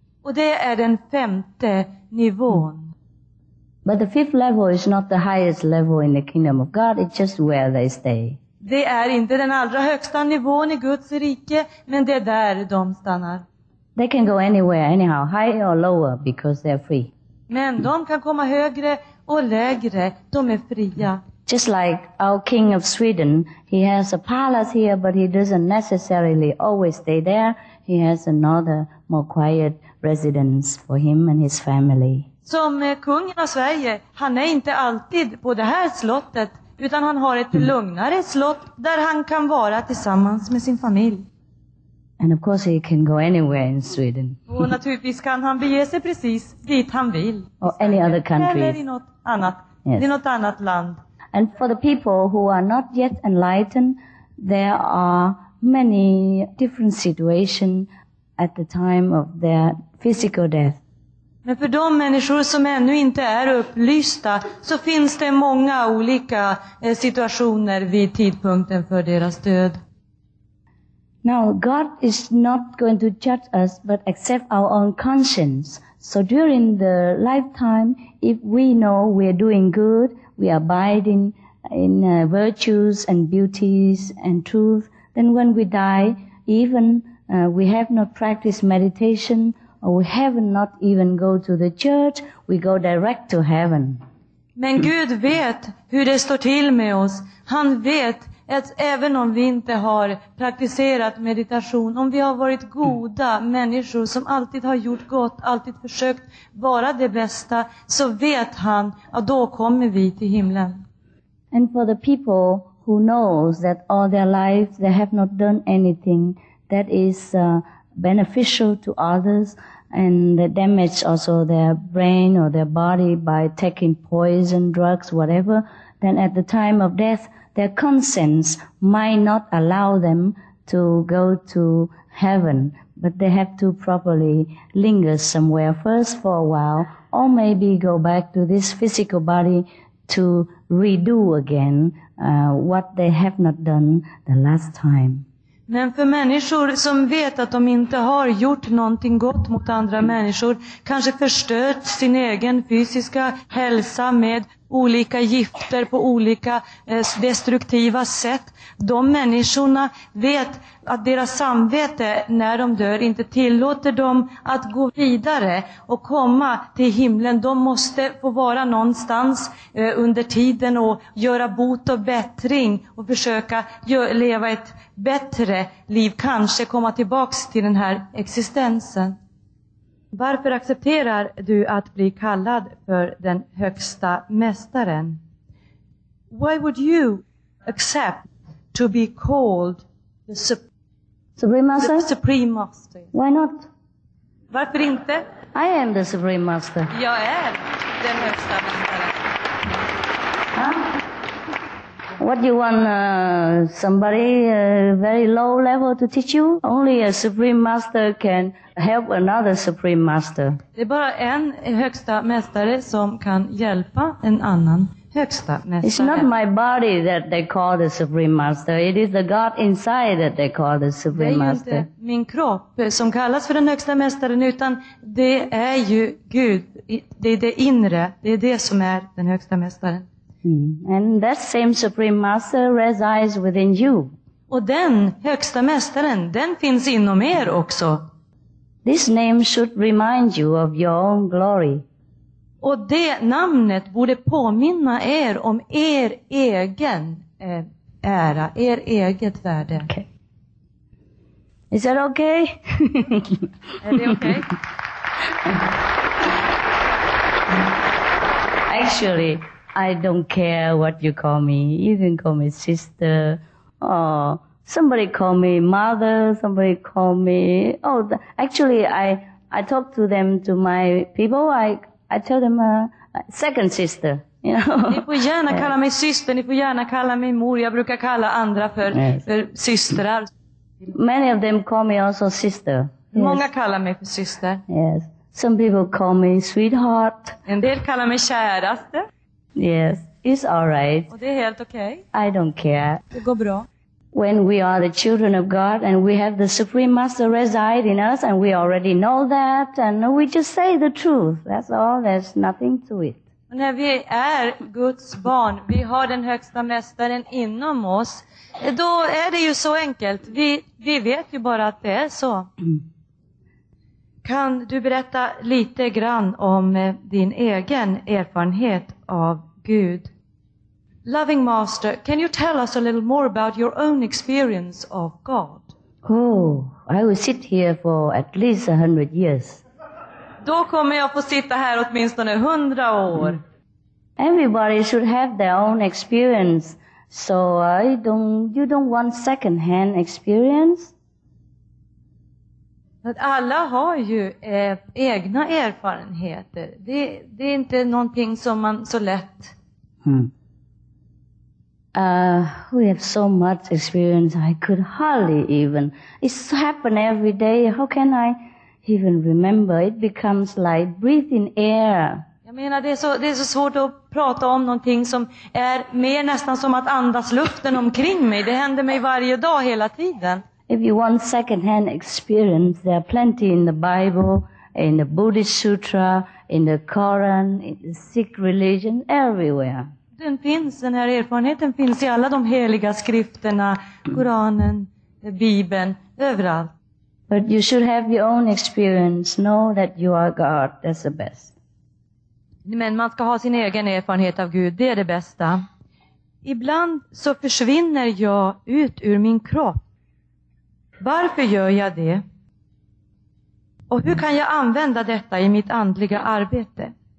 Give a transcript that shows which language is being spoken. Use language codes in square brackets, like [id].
[sv] Och det är den femte nivån. [en] But the fifth level is not the highest level in the kingdom of God. It's just where they stay. [sv] Det är inte den allra högsta nivån i Guds rike, men det är där de stannar. [en] They can go anywhere, anyhow, higher or lower, because they're free. [sv] Men de kan komma högre och lägre. De är fria. [en] Just like our king of Sweden, he has a palace here, but he doesn't necessarily always stay there. He has another more quiet residence for him and his family. [sv] Som kungen av Sverige, han är inte alltid på det här slottet, utan han har ett lugnare slott där han kan vara tillsammans med sin familj. [en] And of course he can go anywhere in Sweden. [sv] Och naturligtvis kan han bege sig precis dit han vill. [en] Or any other country. [sv] Eller i något annat land. [en] And for the people who are not yet enlightened, there are many different situations at the time of their physical death. [sv] Men för de människor som ännu inte är upplysta, så finns det många olika situationer vid tidpunkten för deras död. [en] Now, God is not going to judge us, but accept our own conscience. So during the lifetime, if we know we are doing good, we are abiding in virtues and beauties and truth, then when we die, even we have not practiced meditation, or we have not even go to the church, we go direct to heaven. [sv] Men Gud vet hur det står till med oss. Han vet att även om vi inte har praktiserat meditation, om vi har varit goda människor som alltid har gjort gott, alltid försökt vara det bästa, så vet han att då kommer vi till himlen. [en] And for the people who knows that all their lives they have not done anything that is beneficial to others, and they damage also their brain or their body by taking poison, drugs, whatever, then at the time of death, their conscience might not allow them to go to heaven, but they have to properly linger somewhere first for a while, or maybe go back to this physical body to redo again what they have not done the last time. [sv] Men för människor som vet att de inte har gjort någonting gott mot andra människor, kanske förstört sin egen fysiska hälsa med olika gifter på olika destruktiva sätt, de människorna vet att deras samvete när de dör inte tillåter dem att gå vidare och komma till himlen. De måste få vara någonstans under tiden och göra bot och bättring och försöka leva ett bättre liv, kanske komma tillbaks till den här existensen. Varför accepterar du att bli kallad för den högsta mästaren? [en] Why would you accept to be called the Supreme Master? The Supreme Master. Why not? [sv] Varför inte? [en] I am the Supreme Master. [sv] Jag är den högsta mästaren. [en] What you want somebody very low level to teach you? Only a supreme master can help another supreme master. [sv] Det är bara en högsta mästare som kan hjälpa en annan högsta mästare. [en] It's not my body that they call the supreme master. It is the God inside that they call the supreme master. [sv] Det är inte min kropp som kallas för den högsta mästaren, utan det är ju Gud. Det är det inre. Det är det som är den högsta mästaren. [en] And that same supreme master resides within you. [sv] Och den högsta mästaren, den finns inom er också. [en] This name should remind you of your own glory. [sv] Och det namnet borde påminna er om er egen ära, er eget värde. [en] Okay. Is that okay? [sv] Är det okay? [en] Actually, I don't care what you call me. You can call me sister, or somebody call me mother, somebody call me... Oh, actually, I talk to them, to my people. I tell them second sister, you know. [sv] Ni får gärna kalla mig syster, ni får gärna kalla mig mor. Jag brukar kalla andra för systrar. [en] Many of them call me also sister. Yes. [sv] Många kallar mig för syster. [en] Yes. Some people call me sweetheart. [sv] En del kallar mig käraste. [en] Yes, it's all right. [sv] Och det är helt okej. [en] I don't care. [sv] Det går bra. [en] When we are the children of God and we have the Supreme Master reside in us and we already know that and we just say the truth. That's all. There's nothing to it. [sv] Och när vi är Guds barn, vi har den högsta mästaren inom oss, då är det ju så enkelt. Vi vet ju bara att det är så. Kan du berätta lite grann om din egen erfarenhet av Gud? [en] Loving Master, can you tell us a little more about your own experience of God? Oh, I will sit here for at least 100 years. [sv] Då kommer jag få sitta här åtminstone 100 år. [en] Everybody should have their own experience. So you don't want second hand experience? [sv] Att alla har ju egna erfarenheter. Det är inte någonting som man så lätt... [en] We have so much experience, I could hardly even... It's happen every day, how can I even remember? It becomes like breathing air. [sv] Jag menar, det är så svårt att prata om någonting som är mer nästan som att andas luften omkring mig. Det händer mig varje dag hela tiden. [en] If you want second hand experience, there are plenty in the Bible, in the Buddhist Sutra, in the Quran, in the Sikh religion, everywhere. [sv] Den finns, den här erfarenheten finns i alla de heliga skrifterna, Koranen, Bibeln, överallt. [en] But you should have your own experience. Know that you are God. That's the best. [sv] Men man ska ha sin egen erfarenhet av Gud. Det är det bästa. Ibland så försvinner jag ut ur min kropp. Varför gör jag det? Och hur kan jag använda detta i mitt andliga arbete?